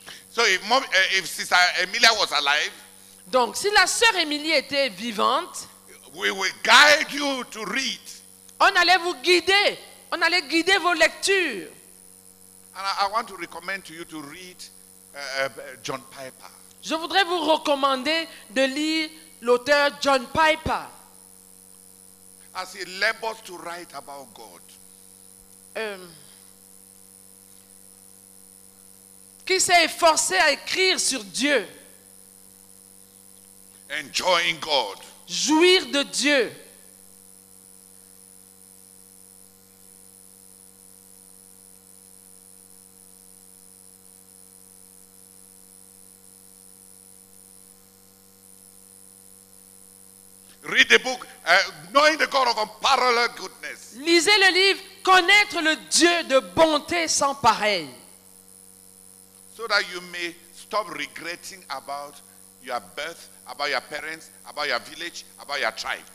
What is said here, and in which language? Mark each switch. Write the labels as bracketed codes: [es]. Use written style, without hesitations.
[en] So if mom, if sister Emilia was alive, [fr] donc si la sœur Emilia était vivante, [en] we will guide you to read. [fr] On allait vous guider, on allait guider vos lectures. [en] And I want to recommend to you to read John Piper. [fr] Je voudrais vous recommander de lire l'auteur John Piper. [en] As he labors to write about God. [fr] Qui s'est efforcé à écrire sur Dieu. [en] Enjoying God. [fr] Jouir de Dieu. [en] Read the book, knowing the God of unparalleled goodness. [fr] Lisez le livre, connaître le Dieu de bonté sans pareil. [en] So that you may stop regretting about your birth, about your parents, about your village, about your tribe.